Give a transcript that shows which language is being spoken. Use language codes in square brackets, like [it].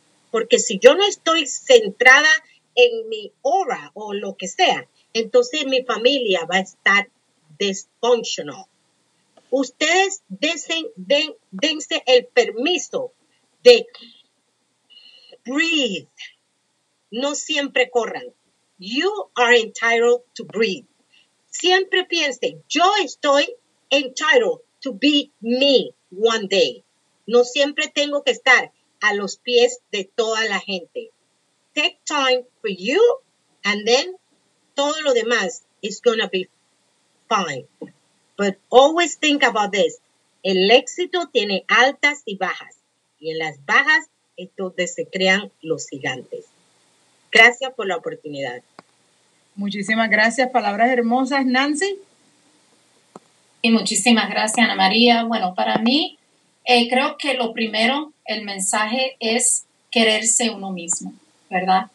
[es] Porque si yo no estoy centrada en mi hora o lo que sea, entonces mi familia va a estar dysfunctional. Ustedes dense el permiso de breathe. No siempre corran. [en] You are entitled to breathe. [es] Siempre piense, yo estoy [en] entitled to be me one day. [es] No siempre tengo que estar a los pies de toda la gente. [en] Take time for you and then [es] todo lo demás [en] is going to be fine. But always think about this. [es] El éxito tiene altas y bajas. Y en las bajas es donde se crean los gigantes. Gracias por la oportunidad. Muchísimas gracias. Palabras hermosas, Nancy. Y muchísimas gracias, Ana María. Bueno, para mí, creo que lo primero, el mensaje es quererse uno mismo, ¿verdad?